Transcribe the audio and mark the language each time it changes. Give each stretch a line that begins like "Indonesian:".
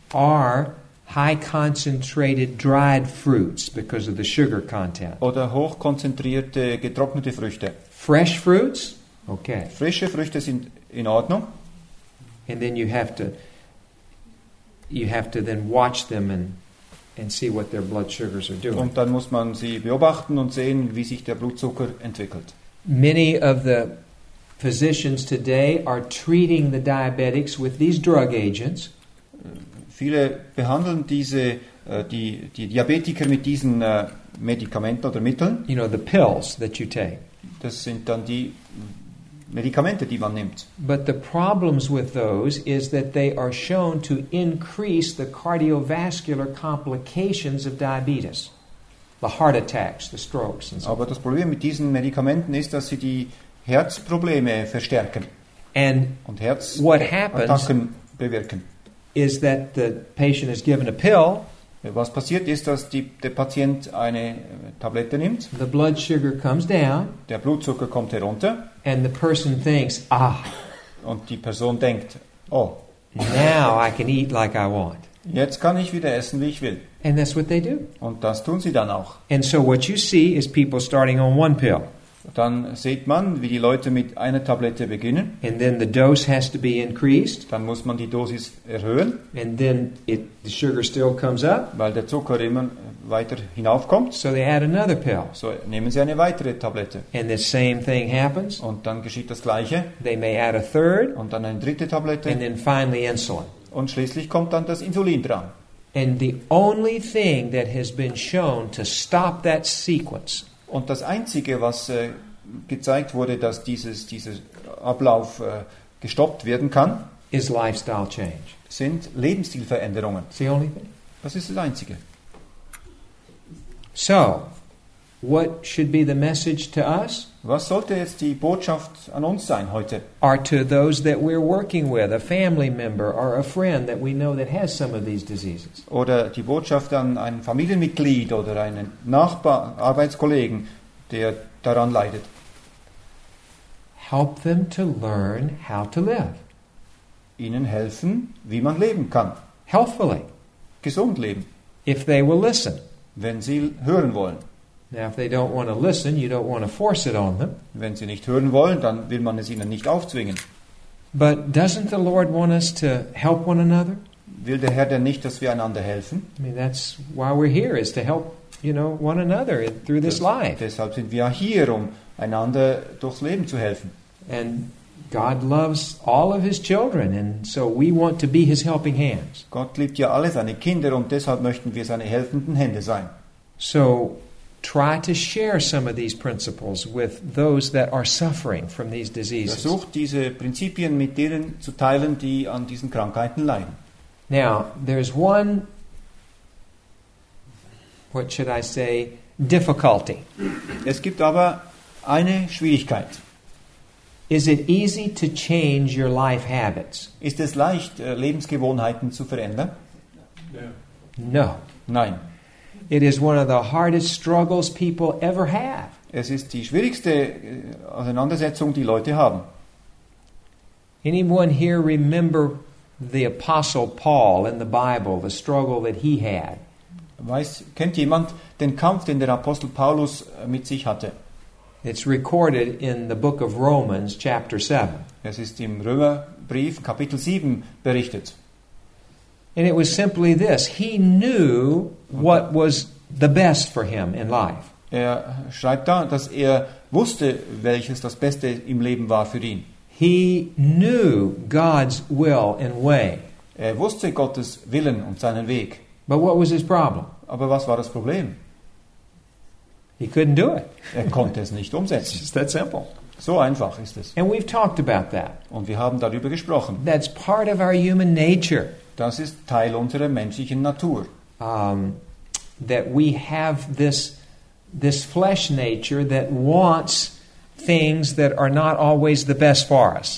English: Or high concentrated dried fruits because of the sugar content.
German: Oder hochkonzentrierte getrocknete Früchte.
English: Fresh fruits? Okay.
German: Frische Früchte sind in Ordnung.
English: And then you have to then watch them and see what their blood sugars are doing.
German: Und dann muss man sie beobachten und sehen, wie sich der Blutzucker entwickelt.
English: Many of the physicians today are treating the diabetics with these drug agents.
German: Viele behandeln die Diabetiker mit diesen Medikamenten oder Mitteln.
English: You know, the pills that you take.
German: Das sind dann die Medikamente, die man nimmt.
English: But the problems with those is that they are shown to increase the cardiovascular complications of diabetes. The heart attacks, the strokes and so.
German: Aber das Problem mit diesen Medikamenten ist, dass sie die Herzprobleme verstärken.
English: And
German: und Herzattacken bewirken.
English: Is that the patient is given a pill.
German: Was passiert ist, dass der Patient eine Tablette nimmt.
English: The blood sugar comes down.
German: Der Blutzucker kommt herunter.
English: And the person thinks, ah.
German: Und die Person denkt, oh.
English: Now I can eat like I want.
German: Jetzt kann ich wieder essen, wie ich will.
English: And that's what they do.
German: Und das tun sie dann auch.
English: And so what you see is people starting on one pill.
German: Dann sieht man, wie die Leute mit einer Tablette beginnen.
English: And then the dose has to be increased.
German: Dann muss man die Dosis erhöhen.
English: And then the sugar still comes up.
German: Weil der Zucker immer weiter hinaufkommt.
English: So they add another pill.
German: So nehmen sie eine weitere Tablette.
English: And the same thing happens.
German: Und dann geschieht das Gleiche.
English: They may add a third.
German: Und dann eine dritte Tablette.
English: And then finally insulin.
German: Und schließlich kommt dann das Insulin dran.
English: And the only thing that has been shown to stop that sequence.
German: Und das Einzige, was gezeigt wurde, dass dieser Ablauf gestoppt werden kann,
English: is lifestyle change.
German: Sind Lebensstilveränderungen.
English: The only thing.
German: Das ist das Einzige.
English: So, what should be the message to us?
German: Was sollte jetzt die Botschaft an uns sein heute?
English: Or to those that we're working with, a family member or a friend that we know that has some of these diseases.
German: Oder die Botschaft an ein Familienmitglied oder einen Nachbar, Arbeitskollegen, der daran leidet.
English: Help them to learn how to live.
German: Ihnen helfen, wie man leben kann.
English: Healthfully.
German: Gesund leben.
English: If they will listen.
German: Wenn sie hören wollen.
English: Now, if they don't want to listen, you don't want to force it on them.
German: Wenn sie nicht hören wollen, dann will man es ihnen nicht aufzwingen.
English: But doesn't the Lord want us to help one another?
German: Will der Herr denn nicht, dass wir einander helfen?
English: I mean, that's why we're here, is to help, you know, one another through this life.
German: Deshalb sind wir hier, um einander durchs Leben zu helfen.
English: And God loves all of His children, and so we want to be His helping hands.
German: Gott liebt ja alle seine Kinder, und deshalb möchten wir seine helfenden Hände sein.
English: So try to share some of these principles with those that are suffering from these diseases.
German: Versucht diese Prinzipien mit denen zu teilen, die an diesen Krankheiten leiden.
English: Now, there's one, what should I say, difficulty.
German: Es gibt aber eine Schwierigkeit.
English: Is it easy to change your life habits?
German: Ist es leicht, Lebensgewohnheiten zu verändern?
English: No.
German: Nein.
English: It is one of the hardest struggles people ever have.
German: Es ist die schwierigste Auseinandersetzung, die Leute haben.
English: Anyone here remember the Apostle Paul in the Bible, the struggle that he had?
German: Kennt jemand den Kampf, den der Apostel Paulus mit sich hatte?
English: It's recorded in the book of Romans, chapter 7.
German: Es ist im Römerbrief, Kapitel 7, berichtet.
English: And it was simply this. He knew what was the best for him in life.
German: Er schreibt da, dass er wusste, welches das Beste im Leben war für ihn.
English: He knew God's will and way.
German: Er wusste Gottes Willen und seinen Weg.
English: But what was his problem?
German: Aber was war das Problem?
English: He couldn't do it.
German: Er konnte es nicht umsetzen.
English: It's that simple.
German: So einfach ist es.
English: And we've talked about that.
German: Und wir haben darüber gesprochen.
English: That's part of our human nature.
German: Das ist Teil unserer menschlichen Natur.
English: that we have this flesh nature that wants things that are not always the best for us.